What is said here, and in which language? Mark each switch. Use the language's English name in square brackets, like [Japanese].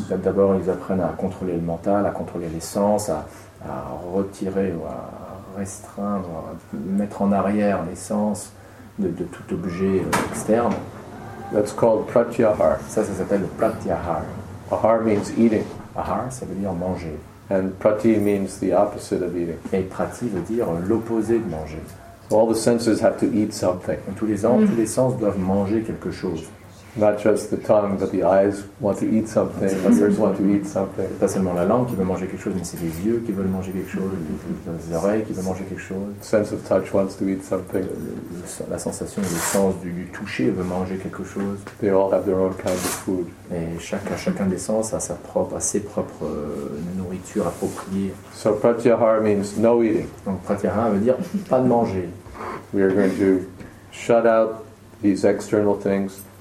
[French] D'abord, ils apprennent à contrôler le mental, à contrôler les sens, à retirer ou à restreindre, à mettre en arrière les sens de tout objet externe. [English] That's called pratyahar. [French] Ça s'appelle le pratyahar. [English] Ahar means eating. [French] Ahar, ça veut dire manger. [English] And prati means the opposite of eating. [French] Et prati veut dire l'opposé de manger. [English] So all the senses have to eat something. [French] Tous les sens doivent manger quelque chose. [English] Not just the tongue, but the eyes want to eat something. The ears want to eat something. [French] Pas seulement la langue qui veut manger quelque chose, mais c'est les yeux qui veulent manger quelque chose, les oreilles qui veulent manger quelque chose. [English] Sense of touch wants to eat something. [French] La sensation, le sens du toucher veut manger quelque chose. [English] They all have their own kind of food. [French] Et chacun des sens a ses propres nourritures appropriées. [English] So pratyahara means no eating. [French] Donc pratyahara veut dire pas de manger. [English] We are going to shut out these external things.